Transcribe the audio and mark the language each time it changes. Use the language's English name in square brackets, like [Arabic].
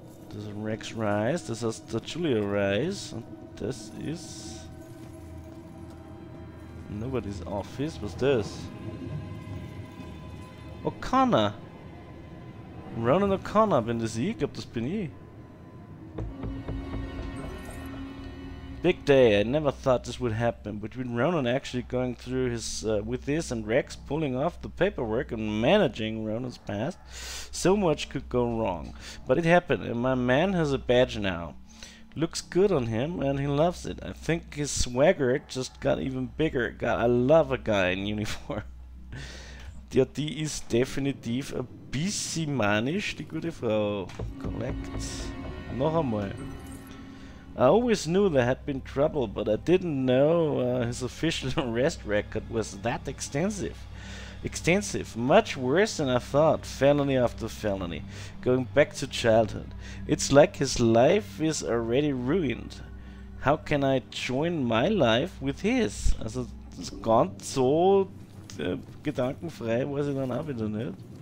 [German] Das ist Rex Rice, das heißt der Julia Rice. Das ist Nobody's Office. Was ist das? O'Connor. Ronan O'Connor, bin das ich? Ich glaube, das bin ich. [English] Big day, I never thought this would happen. Between Ronan actually going through his with this and Rex pulling off the paperwork and managing Ronan's past, so much could go wrong. But it happened, and my man has a badge now. Looks good on him, and he loves it. I think his swagger just got even bigger. God, I love a guy in uniform. [German] Ja, die ist definitiv ein bisschen manisch, die gute Frau. Collect. Noch einmal. [English] I always knew there had been trouble, but I didn't know his official arrest record was that extensive. Extensive. Much worse than I thought. Felony after felony. Going back to childhood. It's like his life is already ruined. How can I join my life with his? [German] Also, das ganz so gedankenfrei war sie dann auch wieder nicht.